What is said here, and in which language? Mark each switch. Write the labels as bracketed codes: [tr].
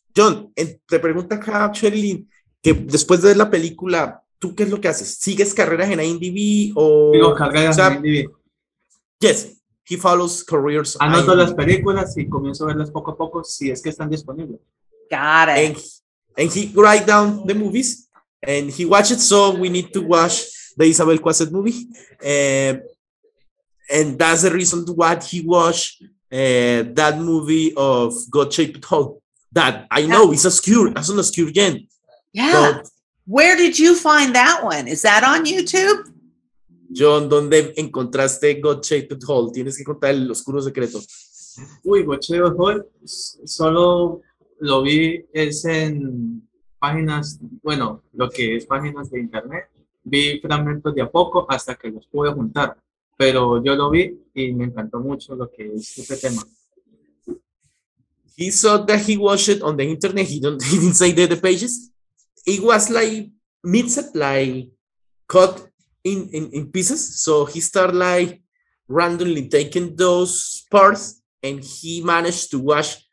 [es] Jhon, te pregunta acá a Sherilyn, que después de la película, ¿tú qué es lo que haces? ¿Sigues carreras en IMDb o...? Sigo carreras en IMDb. [en] Yes. He follows careers. [es] Anoto las películas y comienzo a verlas poco a poco si es que están disponibles. [en] Got it. And he write down the movies And he watched it, so we need to watch the Isabel Coixet movie. And that's the reason why he watched that movie of God Shaped Hole. That I know is obscure, as an obscure gen. Yeah. But where did you find that one? Is that on YouTube? [es] John, ¿dónde encontraste God Shaped Hole? Tienes que contar el oscuro secreto. Uy, God Shaped Hole, solo lo vi es en páginas, bueno, lo que es páginas de internet. Vi fragmentos de a poco hasta que los pude juntar. Pero yo lo vi y me encantó mucho lo que es este tema. [en] He saw that he watched it on the internet. He didn't say the pages. It was like midset, like cut in pieces. So he started like randomly taking those parts and he managed to watch.